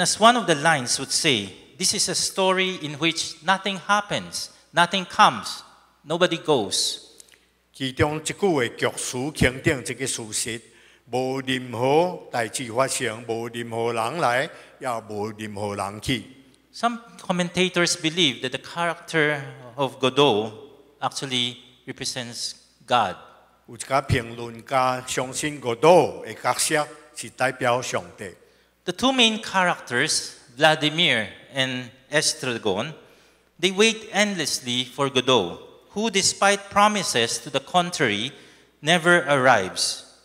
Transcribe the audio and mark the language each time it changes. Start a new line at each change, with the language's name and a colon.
English: as one of the lines would say, this is a story in which nothing happens, nothing comes, nobody goes.
Min Nan Chinese: 其中一句的剧情定这个事实：无任何代志发生，无任何人来，也无任何人去。
English: Some commentators believe that the character of Godot actually represents God.
Min Nan Chinese: 有一家评论家相信Godot的角色是代表上帝。
English: The two main characters, Vladimir and Estragon, they wait endlessly for Godot, who despite promises to the contrary, never arrives.